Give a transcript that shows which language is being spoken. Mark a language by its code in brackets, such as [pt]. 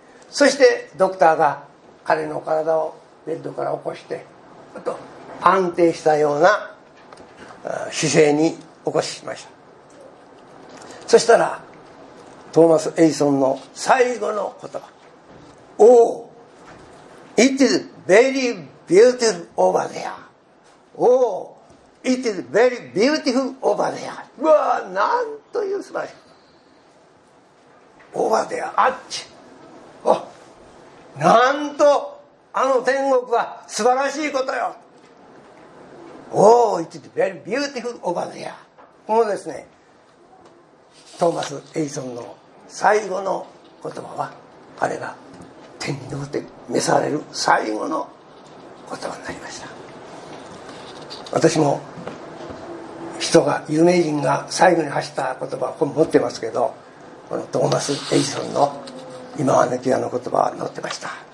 [ja] そしてドクターが彼の体をベッドから起こして、あと安定したような姿勢に起こしました。そしたらトーマス・エジソンの最後の言葉、 [en] Oh, it is very beautiful over there. Oh, it is very beautiful over there. [ja] うわー、なんという素晴らしい。Over there, あっち、あ、なんとあの天国は素晴らしいことよ。 [en] Oh, it is very beautiful over there. [ja] このですね、トーマス・エジソンの最後の言葉は彼が天に昇って召される最後の言葉になりました。私も人が有名人が最後に発した言葉をここ持ってますけど、このトーマス・エジソンの今はねきわの言葉は載ってました。